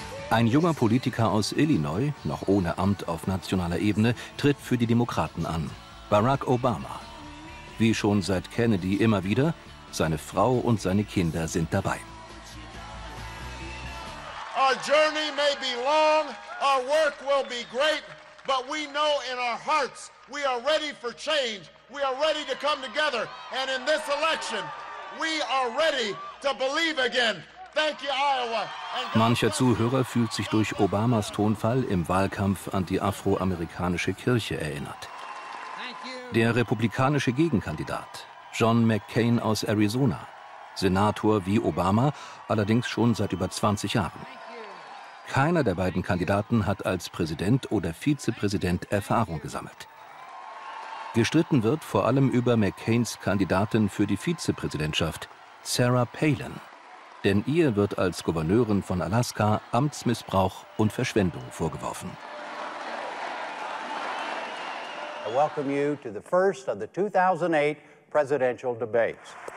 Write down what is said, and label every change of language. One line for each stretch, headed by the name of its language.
German: Ein junger Politiker aus Illinois, noch ohne Amt auf nationaler Ebene, tritt für die Demokraten an. Barack Obama. wie schon seit Kennedy immer wieder, seine Frau und seine Kinder sind dabei.
English: Our journey may be long, our work will be great, but we know in our hearts we are ready for change. We are ready to come together, and in this election we are ready to believe again. Thank you, Iowa.
German: Mancher Zuhörer fühlt sich durch Obamas Tonfall im Wahlkampf an die afroamerikanische Kirche erinnert. Der republikanische Gegenkandidat, John McCain aus Arizona, Senator wie Obama, allerdings schon seit über 20 Jahren. Keiner der beiden Kandidaten hat als Präsident oder Vizepräsident Erfahrung gesammelt. Gestritten wird vor allem über McCains Kandidatin für die Vizepräsidentschaft, Sarah Palin. Denn ihr wird als Gouverneurin von Alaska Amtsmissbrauch und Verschwendung vorgeworfen.
English: I welcome you to the first of the 2008 presidential debates.